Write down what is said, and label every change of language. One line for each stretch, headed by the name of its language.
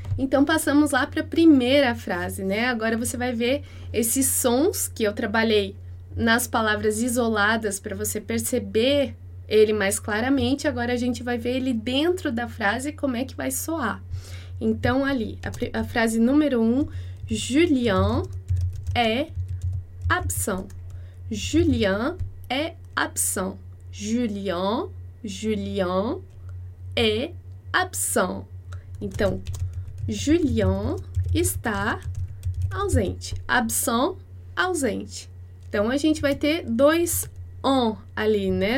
Portuguese: Então, passamos lá para a primeira frase, né? Agora você vai ver esses sons que eu trabalhei nas palavras isoladas para você perceber ele mais claramente. Agora a gente vai ver ele dentro da frase, como é que vai soar. Então, ali, a frase número um, Julien é absent.
French: Julien est absent. Julien, Julien est absent.
Portuguese: Então, Julien está ausente. Absent, ausente. Então, a gente vai ter dois on ali, né?